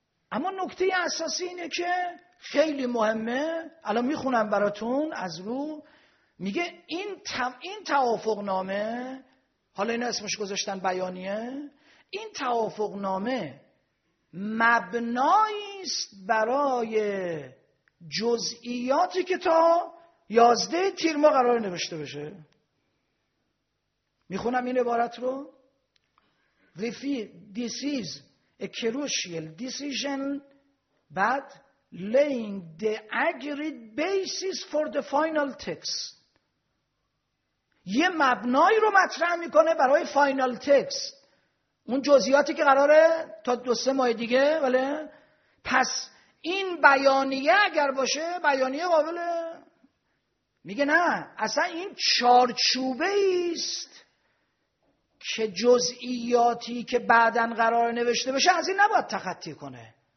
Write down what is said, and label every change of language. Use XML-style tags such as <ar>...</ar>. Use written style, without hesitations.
<fa>اما نکته اساسی اینه که خیلی مهمه، الان میخونم براتون از رو، میگه این توافق نامه، حالا این اسمش گذاشتن بیانیه، این توافق نامه مبناییست برای جزئیاتی که تا 11 تیر ماه قرار نوشته بشه. میخونم این عبارت رو.</fa> <en>This is a crucial decision, but laying the agreed basis for the final text.</en> <fa>یه مبنایی رو مطرح میکنه برای</fa> <en>final text,</en> <fa>اون جزئیاتی که قراره تا دو سه ماه دیگه، ولی پس این بیانیه اگر باشه بیانیه قابله، میگه نه اصلا این چارچوبه ایست که جزئیاتی که بعدن قراره نوشته بشه از این نباید تخطی کنه.</fa>